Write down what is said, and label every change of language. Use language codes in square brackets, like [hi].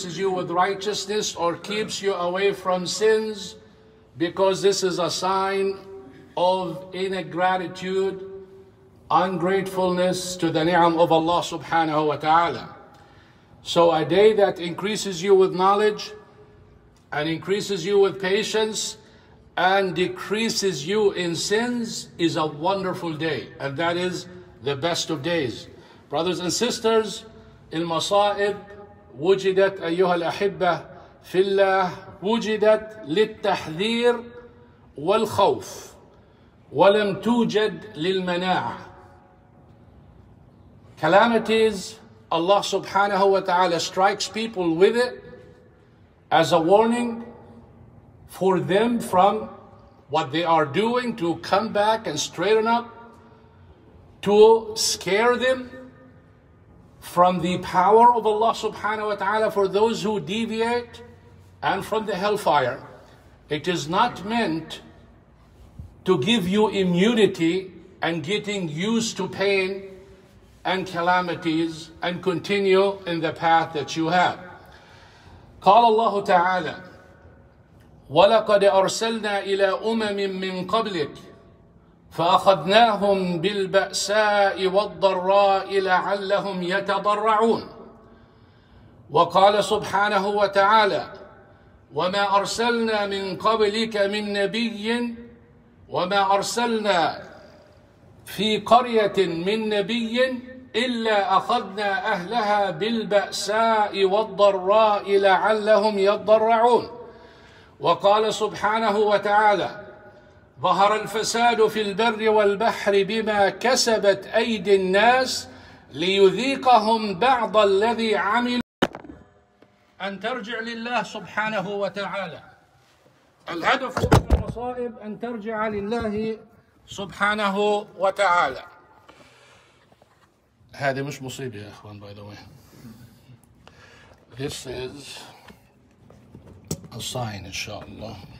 [en] with righteousness, or keeps you away from sins, because this is a sign of ingratitude, ungratefulness to the ni'am of Allah subhanahu wa ta'ala. So a day that increases you with knowledge and increases you with patience and decreases you in sins is a wonderful day. And that is the best of days. Brothers and sisters, [ar] المصائب وجدت أيها الأحبة في الله وجدت للتحذير والخوف ولم توجد للمناعة. [en] Calamities, Allah subhanahu wa ta'ala strikes people with it as a warning for them from what they are doing, to come back and straighten up, to scare them from the power of Allah subhanahu wa ta'ala for those who deviate, and from the hellfire. It is not meant to give you immunity and getting used to pain and calamities and continue in the path that you have. [ar] قال الله تعالى ولقد أرسلنا إلى أمم من قبلك فأخذناهم بالبأساء والضراء لعلهم يتضرعون. وقال سبحانه وتعالى وما أرسلنا من قبلك من نبي وما أرسلنا في قرية من نبي إلا أخذنا أهلها بالبأساء والضراء لعلهم يضرعون. وقال سبحانه وتعالى ظهر الفساد في البر والبحر بما كسبت أيدي الناس ليذيقهم بعض الذي عمل. أن ترجع لله سبحانه وتعالى. الهدف من المصائب أن ترجع لله سبحانه وتعالى. هذه مش مصيبة يا أخوان, [en] by the way. This is a sign, inshallah.